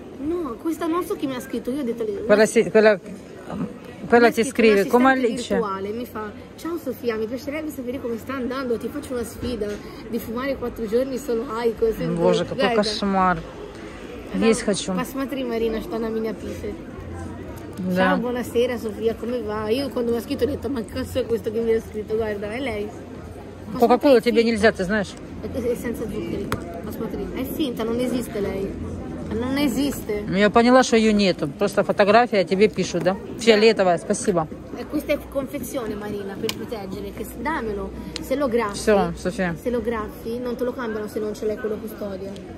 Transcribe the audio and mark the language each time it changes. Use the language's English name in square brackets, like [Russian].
[Italian] No, questa non so chi mi ha scritto, io ho detto... Quella ti scrive, come Alice? Mi fa, ciao Sofia, mi piacerebbe sapere come sta andando, ti faccio una sfida di fumare 4 giorni solo Aikos. [Russian] Боже, какой кошмар. Есть хочу. Посмотри, Марина, что она меня пишет. Да. [Italian] Ciao, buonasera, Sofia, come va? Io quando mi ha scritto ho detto, ma cazzo è questo che mi ha scritto? Guarda, è lei. [Russian] Coca-Cola тебе нельзя, ты знаешь? [Italian] Senza zuccheri. [Russian] Посмотри. [Italian] È finta, non esiste lei. Non esiste. [Russian] Я поняла, что ее нету. Просто фотография тебе пишу, да? Фиолетовая, спасибо. [Italian] E questa è confezione, Marina, per proteggere. Che dammelo. Se lo graffi. [Russian] Все, Sofia. [Italian] Se lo graffi, non te lo cambiano se non ce l'hai quello custodia.